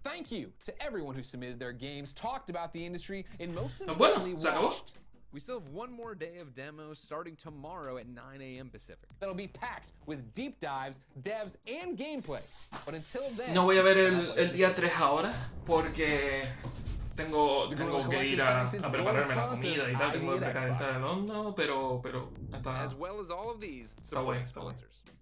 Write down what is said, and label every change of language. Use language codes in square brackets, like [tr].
[en] Thank you to everyone who submitted their games, talked about the industry, and most importantly watched. We still have one more day of demos starting tomorrow at 9 a.m. Pacific. That'll be packed with deep dives, devs, and gameplay. But until then, [es] no voy a ver el día 3 ahora porque tengo que ir a prepararme la comida y tal. Tengo que calentar el horno, pero está. [en] As well as all of these supporting sponsors.